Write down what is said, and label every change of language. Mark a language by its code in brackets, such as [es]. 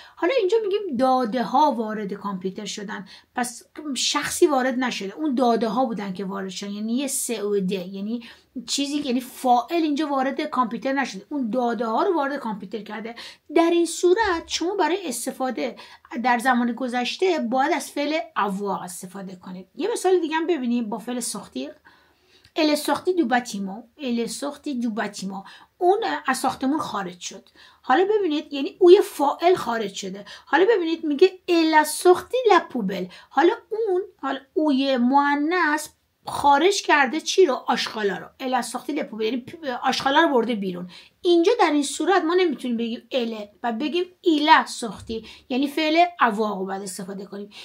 [fa] حالا اینجا میگیم داده ها وارد کامپیوتر شدن، پس شخصی وارد نشده، اون داده ها بودن که وارد شدن، یعنی یه سعوده، یعنی چیزی، یعنی فاعل اینجا وارد کامپیوتر نشده، اون داده ها رو وارد کامپیوتر کرده. در این صورت شما برای استفاده در زمان گذشته باید از فعل avoir استفاده کنید. یه مثال دیگه هم ببینیم با فعل sortir. [fr] Elle est sortie du bâtiment. Elle est sortie du bâtiment. [fa] اون از ساختمون خارج شد. حالا ببینید، یعنی اوی فاعل خارج شده. حالا ببینید میگه [fr] الا سختی لا پوبل، [fa] حالا اون، حالا اوی مؤنث خارج کرده چی رو؟ آشغالا رو. [fr] الا سختی لا پوبل، [fa] یعنی آشغالا رو برده بیرون. اینجا در این صورت ما نمیتونیم بگیم ال و بگیم [fr] ایلا سختی، [fa] یعنی فعل اواغ رو باید استفاده کنیم.